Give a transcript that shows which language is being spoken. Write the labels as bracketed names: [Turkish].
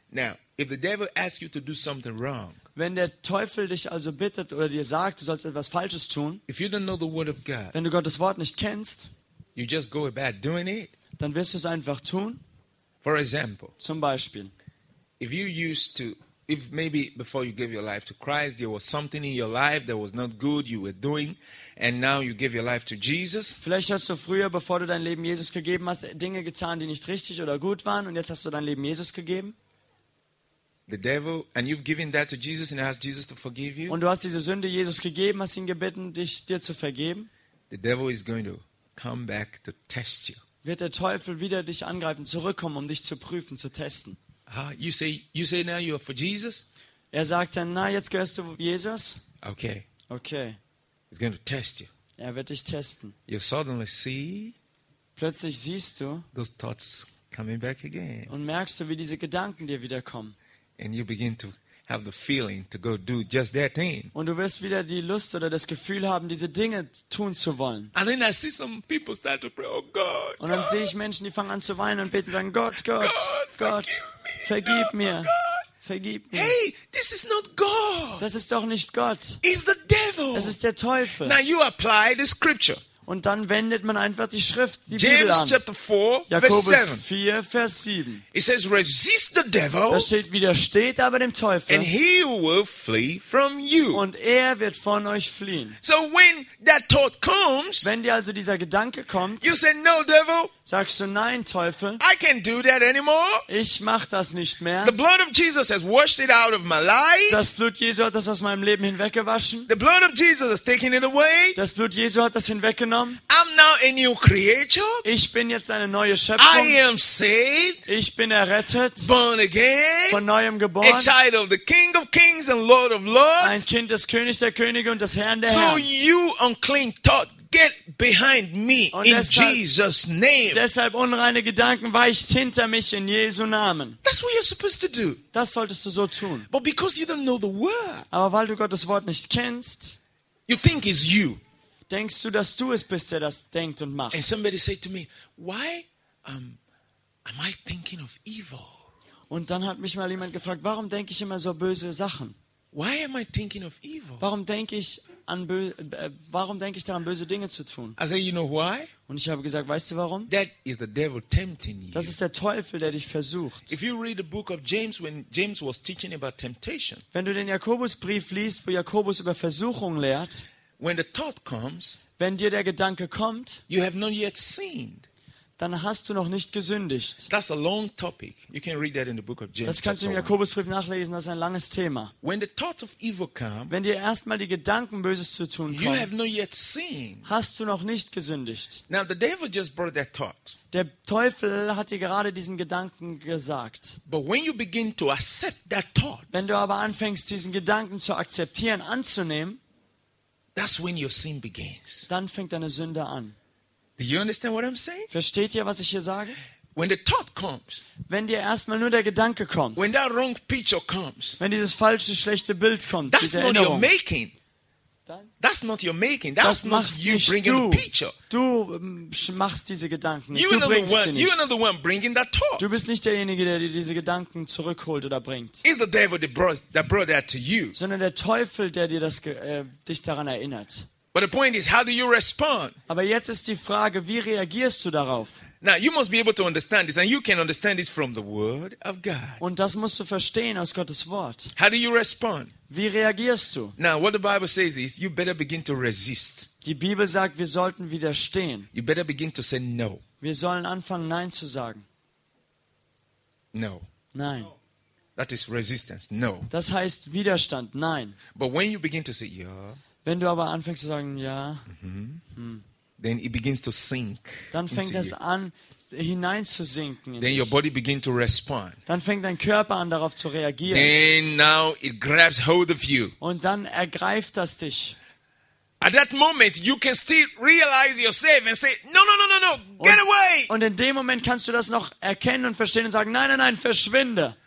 [English] Now, if the devil asks you to do something wrong, [German] wenn der Teufel dich also bittet oder dir sagt, du sollst etwas Falsches tun, [English] if you don't know the word of God, [German] wenn du Gottes Wort nicht kennst, [English] you just go about doing it, [German] dann wirst du es einfach tun. [English] For example, [German] zum Beispiel, [English] if you used to, if maybe before you gave your life to Christ, there was something in your life that was not good you were doing. And now you give your life to Jesus. [German] Vielleicht hast du früher, bevor du dein Leben Jesus gegeben hast, Dinge getan, die nicht richtig oder gut waren, und jetzt hast du dein Leben Jesus gegeben. [English] The devil, and you've given that to Jesus and asked Jesus to forgive you. [German] Und du hast diese Sünde Jesus gegeben, hast ihn gebeten, dir zu vergeben. [English] The devil is going to come back to test you. [German] Wird der Teufel wieder dich angreifen, zurückkommen, um dich zu prüfen, zu testen? [English] You say now you are for Jesus? [German] Er sagt dann, na, jetzt gehörst du Jesus? [English] Okay. [German] Okay. [English] He's going to test you. [German] Er wird dich testen. [English] You suddenly see. [German] Plötzlich siehst du. [English] Those thoughts coming back again. [German] Und merkst du, wie diese Gedanken dir wiederkommen. [English] And you begin to have the feeling to go do just that thing. [German] Und du wirst wieder die Lust oder das Gefühl haben, diese Dinge tun zu wollen. [English] And then I see some people start to pray, oh God. [German] Und dann sehe ich Menschen, die fangen an zu weinen und beten, sagen, Gott, vergib mir. Vergib mir. [English] Hey, this is not God. [German] Das ist doch nicht Gott. [English] It's the devil. [German] Es ist der Teufel. [English] Now you apply the scripture. [German] Und dann wendet man einfach die Schrift, die [English] James [German] Bibel an. [English] James chapter 4, [German] Jakobus [English] verse 7. [German] 4, Vers 7. [English] It says, resist the devil. [German] Da steht, widersteht aber dem Teufel. [English] And he will flee from you. [German] Und er wird von euch fliehen. [English] So when that thought comes, [German] wenn dir also dieser Gedanke kommt, [English] you say, no, devil. [German] Sagst du, nein, Teufel. [English] I can't do that anymore. [German] Ich mach das nicht mehr. [English] The blood of Jesus has washed it out of my life. [German] Das Blut Jesu hat das aus meinem Leben hinweggewaschen. [English] The blood of Jesus has taken it away. [German] Das Blut Jesu hat das hinweggenommen. [English] I'm now a new creature. [German] Ich bin jetzt eine neue Schöpfung. [English] I am saved. [German] Ich bin errettet. [English] Born again. [German] Von neuem geboren. [English] A child of the King of Kings and Lord of Lords. [German] Ein Kind des Königs der Könige und des Herrn der [English] so [German] Herren. [English] So you unclean thought. Get behind me in Jesus' name. [German] Deshalb unreine Gedanken weicht hinter mich in Jesu Namen. [English] That's what you're supposed to do. [German] Das solltest du so tun. [English] But because you don't know the word. [German] Aber weil du Gottes Wort nicht kennst. [English] You think it's you. [German] Denkst du, dass du es bist, der das denkt und macht? [English] And somebody said to me, why am I thinking of evil? [German] Und dann hat mich mal jemand gefragt, warum denke ich immer so böse Sachen? [English] Why am I thinking of evil? [German] Warum denke ich daran, böse Dinge zu tun? [English] I said, you know why? [German] Und ich habe gesagt, weißt du warum? [English] That is the devil tempting you. [German] Das ist der Teufel, der dich versucht. [English] If you read the book of James, when James was teaching about temptation. [German] Wenn du den Jakobusbrief liest, wo Jakobus über Versuchung lehrt. [English] When the thought comes. [German] Wenn dir der Gedanke kommt. [English] You have not yet sinned. [German] Dann hast du noch nicht gesündigt. [English] That's a long topic. You can read that in the book of James. [German] Das kannst du im Jakobusbrief nachlesen, das ist ein langes Thema. [English] When the thoughts of evil come, [German] wenn dir erstmal die Gedanken Böses zu tun kommen, [English] you have not yet seen. [German] Hast du noch nicht gesündigt. [English] Now the devil just brought that thought. [German] Der Teufel hat dir gerade diesen Gedanken gesagt. [English] But when you begin to accept that thought, [German] wenn du aber anfängst, diesen Gedanken zu akzeptieren, anzunehmen, [English] that's when your sin begins. [German] Dann fängt deine Sünde an. [English] Do you understand what I'm saying? [German] Versteht ihr, was ich hier sage? [English] When the thought comes. [German] Wenn dir erstmal nur der Gedanke kommt. [English] When that wrong picture comes. [German] Wenn dieses falsche, schlechte Bild kommt. [English] That's not your making. That's not your making. That's not you bringing [German] du. [English] The picture. [German] Du machst diese Gedanken nicht. Du bringst [English] one, [German] sie nicht. [English] You are not the one bringing that thought. [German] Du bist nicht derjenige, der dir diese Gedanken zurückholt oder bringt. [English] It's the devil that brought that to you. [German] Sondern der Teufel, der dir das dich daran erinnert. [English] But the point is, how do you respond? [German] Aber jetzt ist die Frage, wie reagierst du darauf? [English] Now you must be able to understand this, and you can understand this from the Word of God. [German] Und das musst du verstehen aus Gottes Wort. [English] How do you respond? [German] Wie reagierst du? [English] Now what the Bible says is, you better begin to resist. [German] Die Bibel sagt, wir sollten widerstehen. [English] You better begin to say no. [German] Wir sollen anfangen, nein zu sagen. [English] No. [German] Nein. [English] That is resistance. No. [German] Das heißt Widerstand. Nein. [English] But when you begin to say yeah. [German] Wenn du aber anfängst zu sagen, ja, [English] Then it begins to sink. [German] Dann fängt es an, hineinzusinken. [English] Then your body begins to respond. [German] Dann fängt dein Körper an, darauf zu reagieren. [English] Then now it grabs hold of you. [German] Und dann ergreift das dich. [English] At that moment you can still realize yourself and say, no, get away. [German] Und in dem Moment kannst du das noch erkennen und verstehen und sagen, nein, verschwinde.